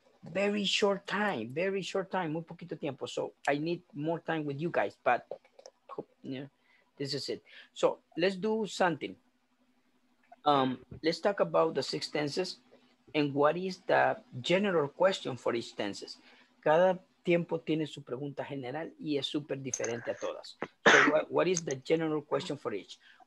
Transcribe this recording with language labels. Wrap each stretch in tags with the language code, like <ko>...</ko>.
<en>Very short time.</en> <es>Muy poquito tiempo.</es> <en>So I need more time with you guys. But yeah, this is it. So let's do something. Let's talk about the six tenses. And what is the general question for each tenses?</en> <es>Cada tiempo tiene su pregunta general y es súper diferente a todas.</es> <en>So what is the general question for each?</en>